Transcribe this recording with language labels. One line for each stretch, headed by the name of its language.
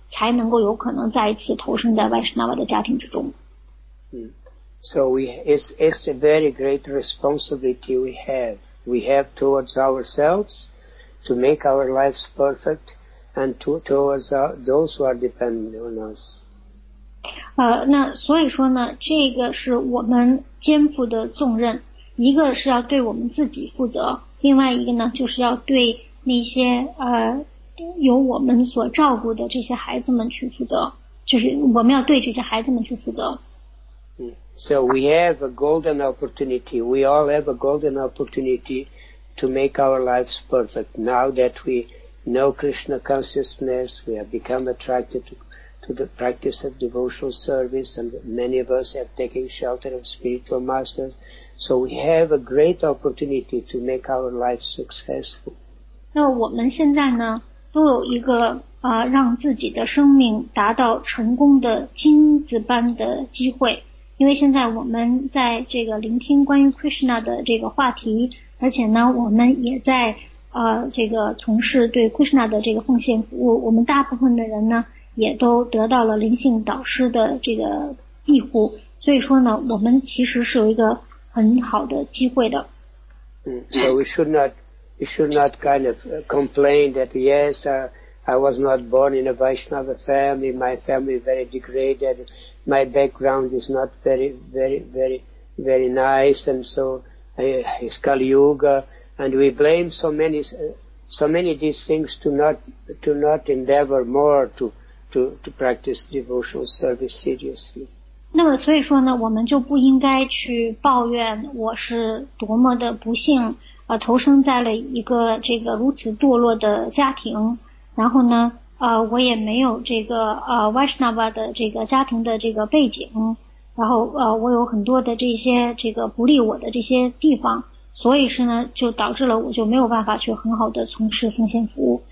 Chinese: 才能够有可能再次投生在 Vaishnava 的家庭之中。
English: So it's a very great responsibility we have. We have towards ourselves to make our lives perfect and towards those who are dependent on us.
Chinese: 那所以说呢，这个是我们肩负的重任，一个是要对我们自己负责，另外一个呢，就是要对那些由我们所照顾的这些孩子们去负责，就是我们要对这些孩子们去负责。
English: So we have a golden opportunity. We all have a golden opportunity to make our lives perfect. Now that we know Krishna consciousness, we have become attracted to the practice of devotional service, and many of us have taken shelter of spiritual masters. So we have a great opportunity to make our lives successful.
Chinese: 那我们现在呢，都有一个让自己的生命达到成功的金子般的机会。因为现在我们在这个聆听关于 Krishna 的这个话题，而且呢，我们也在这个从事对 Krishna 的这个奉献服务。我们大部分的人呢，也都得到了灵性导师的这个庇护，所以说呢，我们其实是有一个很好的机会的。
English: So we should not kind of complain that yes, I was not born in a Vaishnava family. My family is very degraded. My background is not very, very, very, very nice, and so it's Kali Yuga, and we blame so many of these things to not endeavor more to practice devotional service seriously.
Chinese: 那么所以说呢，我们就不应该去抱怨我是多么的不幸，投生在了一个这个如此堕落的家庭，然后呢？我也没有这个Vaishnava 的这个家庭的这个背景，然后我有很多的这些这个不利我的这些地方，所以是呢，就导致了我就没有办法去很好的从事奉献服务。